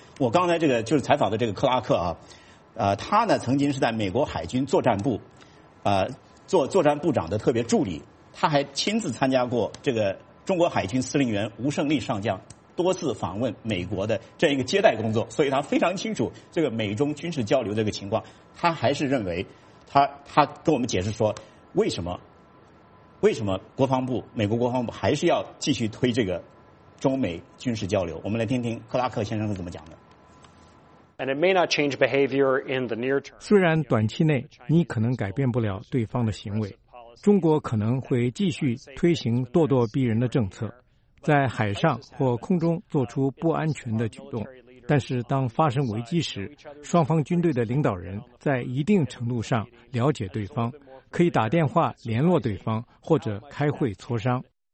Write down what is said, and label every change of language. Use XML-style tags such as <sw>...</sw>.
<zh>我刚才这个就是采访的这个克拉克啊，他呢曾经是在美国海军作战部，做作战部长的特别助理，他还亲自参加过这个中国海军司令员吴胜利上将多次访问美国的这样一个接待工作，所以他非常清楚这个美中军事交流这个情况。他还是认为，他跟我们解释说，为什么国防部，美国国防部还是要继续推这个中美军事交流。我们来听听克拉克先生是怎么讲的。</zh> <en>And it may not change behavior in the near term.</en> <zh>虽然短期内你可能改变不了对方的行为，中国可能会继续推行咄咄逼人的政策，在海上或空中做出不安全的举动，但是当发生危机时，双方军队的领导人在一定程度上了解对方，可以打电话联络对方或者开会磋商。</zh>